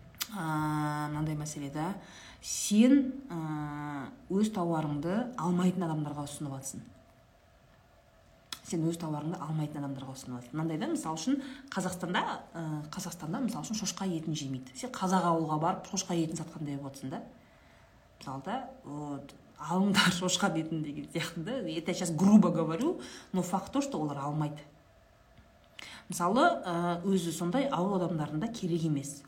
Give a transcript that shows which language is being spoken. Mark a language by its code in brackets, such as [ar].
[kk] Мынандай мәселе да. Сен өз тауарыңды алмайтын адамдарға ұсынып атсың. Мынандай да, мысалы үшін Қазақстанда мысалы үшін шошқа етін жемейді. Сен қазақ ауылға барып шошқа етін сатқандай болып отырсың да. Мысалы да, вот алыңдар шошқа етін деген сияқты да. [ru] Это сейчас грубо говорю, но факт то, что [kk] олар алмайды. Мысалы, өзі сондай ауыл адамдарында керек емес.